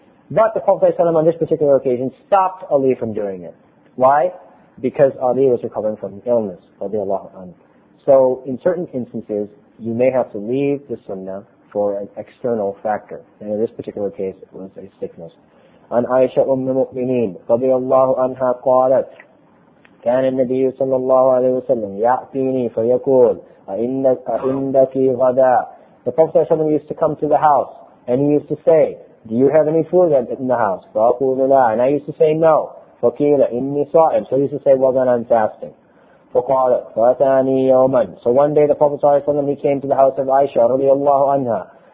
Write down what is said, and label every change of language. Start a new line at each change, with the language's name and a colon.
English: But the Prophet ﷺ on this particular occasion stopped Ali from doing it. Why? Because Ali was recovering from illness. So in certain instances, you may have to leave the sunnah for an external factor. And in this particular case, it was a sickness.
Arabic: عن عائشة أم المؤمنين رضي الله عنها قالت كان النبي صلى الله عليه وسلم يأتيني فيقول أعندك غدا.
English: The Prophet ﷺ used to come to the house and he used to say, do you have any food in the house?
Arabic: فأقول لا.
English: And I used to say no.
Arabic: فقيل إني صائم.
English: So he used to say, well then I'm fasting.
Arabic: فَقَالَتْ فَأَتَانِي يَوْمًا.
English: So one day the Prophet ﷺ, he came to the house of Aisha
Arabic: رضي الله عنها.